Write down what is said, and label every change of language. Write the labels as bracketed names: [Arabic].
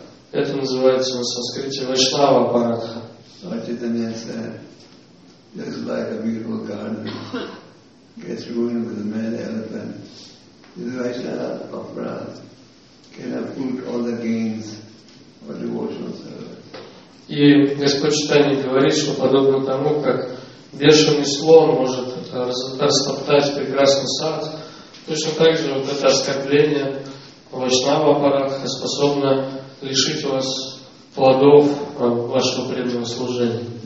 [Russian] Это называется на санскрите Вайшнава Апаратха. [English] Lord Chaitanya said, just like a beautiful garden gets ruined with a mad elephant, this Vaishnava Aparad can uproot all the gains of devotional service. [Russian] И Господь Читание говорит, что подобно тому, как бешеный слон может растоптать прекрасный сад, точно так же вот это оскорбление Вайшнава Апарадха способно лишить вас плодов вашего преданного служения.